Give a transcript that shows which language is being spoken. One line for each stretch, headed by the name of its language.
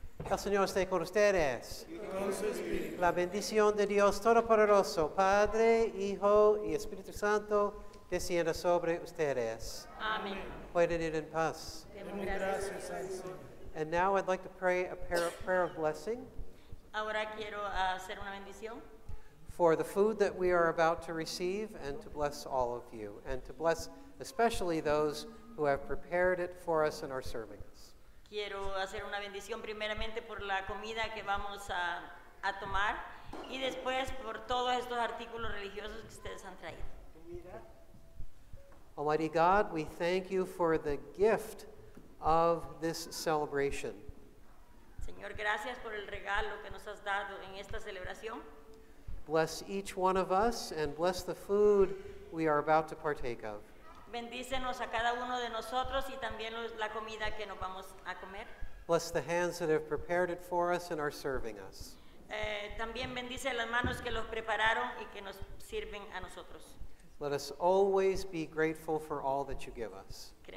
Spanish: El Señor esté con ustedes. Y con su espíritu. La bendición de Dios Todopoderoso, Padre, Hijo y Espíritu Santo, descienda sobre ustedes. Amén. Pueden ir en paz. Demos gracias al Señor.
English: And now I'd like to pray a prayer of blessing.
Spanish: Ahora quiero hacer una bendición.
English: For the food that we are about to receive and to bless all of you. And to bless especially those who have prepared it for us and are serving us.
Spanish: Quiero hacer una bendición primeramente por la comida que vamos a tomar y después por todos estos artículos religiosos que ustedes han traído.
English: Almighty God, we thank you for the gift of this celebration.
Spanish: Señor, gracias por el regalo que nos has dado en esta celebración.
English: Bless each one of us and bless the food we are about to partake of.
Spanish: Bendícenos a cada uno de nosotros y también la comida que nos vamos a comer.
English: Bless the hands that have prepared it for us and are serving us.
Spanish: También bendice las manos que los prepararon y que nos sirven a nosotros.
English: Let us always be grateful for all that you give us.